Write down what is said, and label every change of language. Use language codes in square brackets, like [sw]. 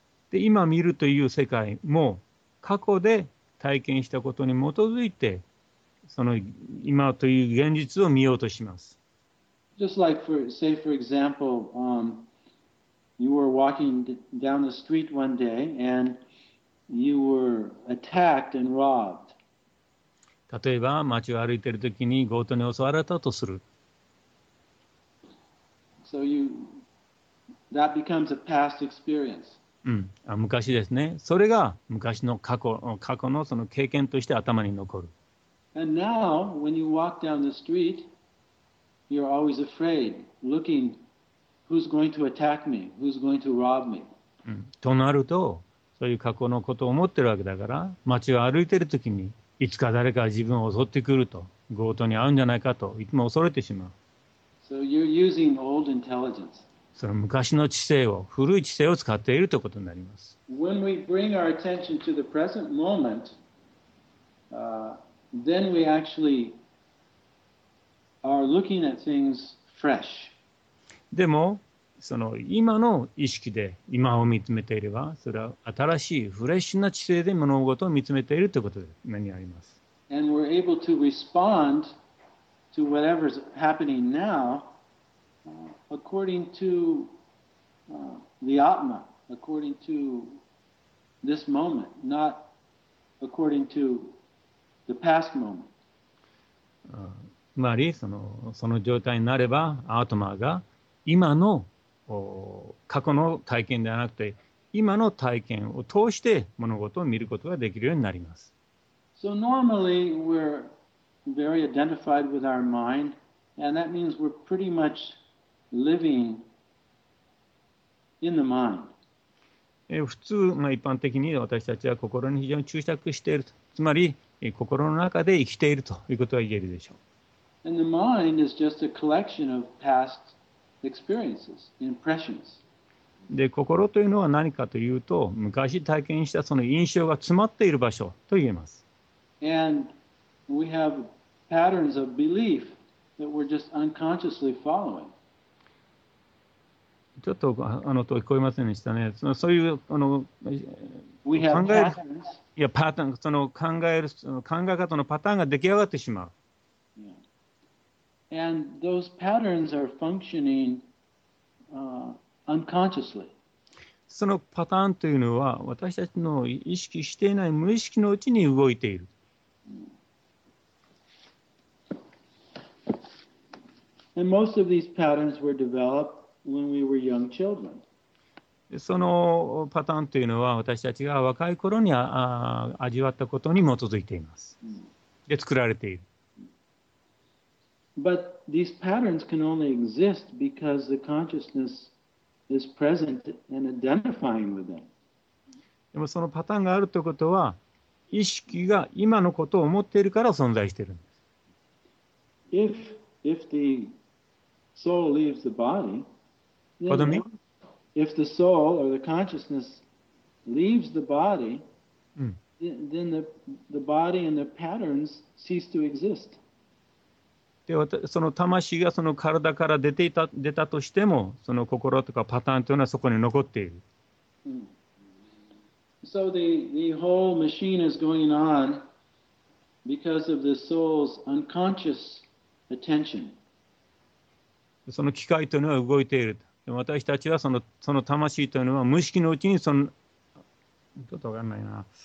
[ja] で、今見るという世界も過去で体験したことに基づいてその今という現実を見ようとします。 [en] Just like for, say for example, you were walking down the street one day and you were attacked and robbed. [ja] 例えば街を歩いているときに強盗に襲われたとする。 [en] So you, That becomes a past experience. [ja] うん、あ、昔ですね。それが昔の過去のその経験として頭に残る。 [en] And now, when you walk down the street, you're always afraid, looking, who's going to attack me? Who's going to rob me? [ja] となると、そういう過去のことを思ってるわけだから、街を歩いてるときに、いつか誰かが自分を襲ってくると、強盗に遭うんじゃないかといつも恐れてしまう。 [en] So you're using old intelligence. [ja] その昔の知性を、古い知性を使っているということになります。 [en] When we bring our attention to the present moment, then we actually are looking at things fresh. [ja] でも、その今の意識で今を見つめていれば、それは新しいフレッシュな知性で物事を見つめているということで目にあります。 [en] And we're able to respond to whatever's happening now according to the Atma, according to this moment, not according to the past moment. [ja] つまりその状態になれば、アートマーが今の過去の体験ではなくて今の体験を通して物事を見ることができるようになります。 [en] So normally we're very identified with our mind, and that means we're pretty much living in the mind. [ja] 普通、一般的に私たちは心に非常に注釈している、つまり心の中で生きているということが言えるでしょう。 [en] And the mind is just a collection of pastExperiences, impressions. [ja] で、心というのは何かというと、昔体験したその印象が詰まっている場所と言えます。 [en] And we have patterns of belief that we're just unconsciously following. [ja] ちょっと聞こえませんでしたね。そういう [en] We have [ja] 考える、 [en] patterns. [ja] いや、パターン、その考える、その考え方のパターンが出来上がってしまう。 [en] And those patterns are functioning unconsciously. [ja] そのパターンというのは私たちの意識していない無意識のうちに動いている。 [en] And most of these patterns were developed when we were young children. [ja] そのパターンというのは私たちが若い頃に味わったことに基づいています。で作られている。 [en] But these patterns can only exist because the consciousness is present and identifying with them. [ja] でもそのパターンがあるということは、意識が今のことを思っているから存在しているんです。 [en] If the soul leaves the body, then Pardon me? If the soul or the consciousness leaves the body, then the body and the patterns cease to exist. [ja] でその魂がその体から出たとしても、その心とかパターンというのはそこに残っている。 [en] So the whole machine is going on because of the soul's unconscious attention. [ja] その機械というのは動いている。で私たちはその魂というのは無意識のうちにその、ちょっとわかんないな。